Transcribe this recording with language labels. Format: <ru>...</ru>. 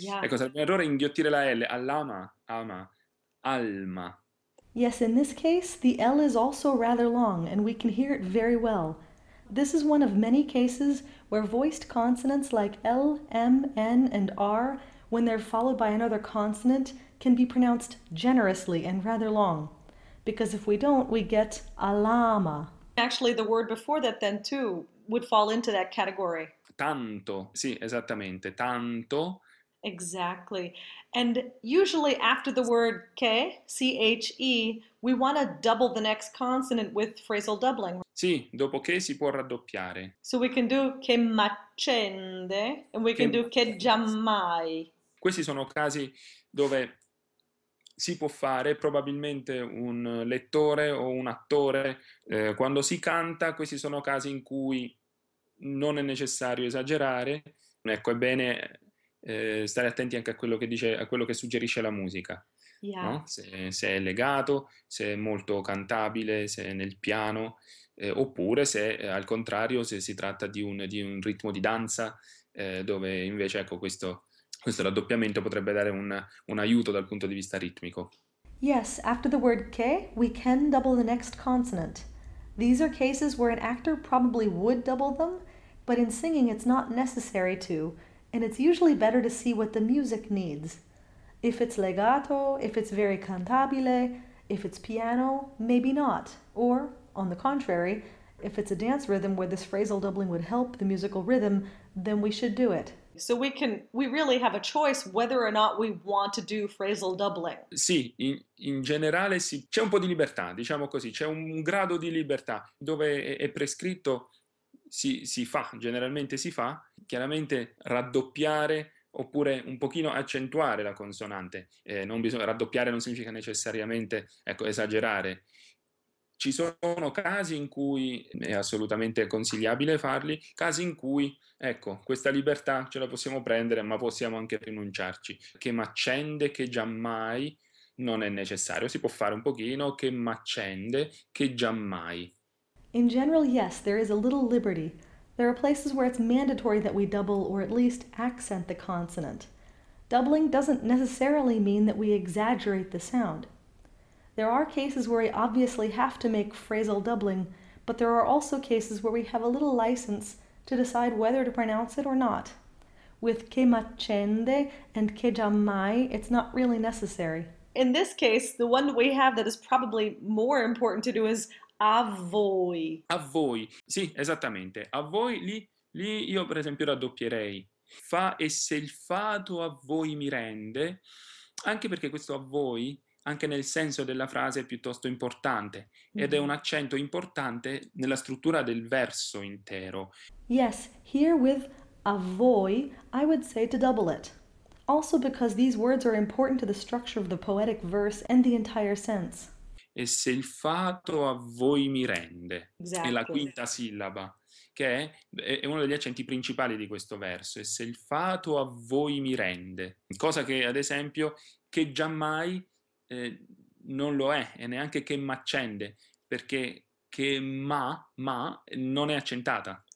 <it>Ecco, sarebbe un errore inghiottire la L, all'ama, ama, alma.</it> <en>Yes, in this case, the L is also rather long, and we can hear it very well. This is one of many cases where voiced consonants like L, M, N, and R, when they're followed by another consonant, can be pronounced generously and rather long. Because if we don't, we get a llama. Actually, the word before that, then, too. Would fall into that category.</en> <it>Tanto, sì, esattamente, tanto.</it> <en>Exactly. And usually after the word che, C-H-E, we want to double the next consonant with phrasal doubling.</en> <it>Sì, dopo che si può raddoppiare.</it> <en>So we can do</en> <it>che m'accende</it> <en>and we can do</en> <it>che giammai. Questi sono casi dove si può fare, probabilmente un lettore o un attore, quando si canta, questi sono casi in cui non è necessario esagerare, ecco, è bene stare attenti anche a quello che dice, a quello che suggerisce la musica, no? Se è legato, se è molto cantabile, se è nel piano, oppure se al contrario, se si tratta di un ritmo di danza, dove invece, ecco, questo raddoppiamento potrebbe dare un aiuto dal punto di vista ritmico.</it> <en>Yes, after the word che, we can double the next consonant. These are cases where an actor probably would double them, but in singing it's not necessary to, and it's usually better to see what the music needs. If it's legato, if it's very cantabile, if it's piano, maybe not. Or, on the contrary, if it's a dance rhythm where this phrasal doubling would help the musical rhythm, then we should do it. So we really have a choice whether or not we want to do phrasal doubling.</en> <it>Sì, in generale sì. C'è un po' di libertà, diciamo così, c'è un grado di libertà. Dove è prescritto, si fa, generalmente si fa, chiaramente raddoppiare oppure un pochino accentuare la consonante. Non bisogna, raddoppiare non significa necessariamente, ecco, esagerare. Ci sono casi in cui è assolutamente consigliabile farli, casi in cui, ecco, questa libertà ce la possiamo prendere, ma possiamo anche rinunciarci. Che m'accende, che giammai, non è necessario. Si può fare un pochino, che m'accende, che giammai.</it> <en>In general, yes, there is a little liberty. There are places where it's mandatory that we double or at least accent the consonant. Doubling doesn't necessarily mean that we exaggerate the sound. There are cases where we obviously have to make phrasal doubling, but there are also cases where we have a little license to decide whether to pronounce it or not. With</en> <it>che m'accende</it> <en>and</en> <it>che giammai,</it> <en>it's not really necessary. In this case, the one that we have that is probably more important to do is a voi.</en> <it>A voi, sì, esattamente, a voi lì, Lì io per esempio raddoppierei fa e se il fato a voi mi rende, anche perché questo a voi, anche nel senso della frase, è piuttosto importante ed è un accento importante nella struttura del verso intero.</it> <en>Yes, here with a voi, I would say to double it. Also because these words are important to the structure of the poetic verse and the entire sense.</en> <it>E se il fato a voi mi rende, è la</it> <en>Exactly.</en> <it>quinta sillaba, che è uno degli accenti principali di questo verso. E se il fato a voi mi rende, cosa che ad esempio che giammai non lo è, e neanche che m'accende, perché che ma non è accentata.</it>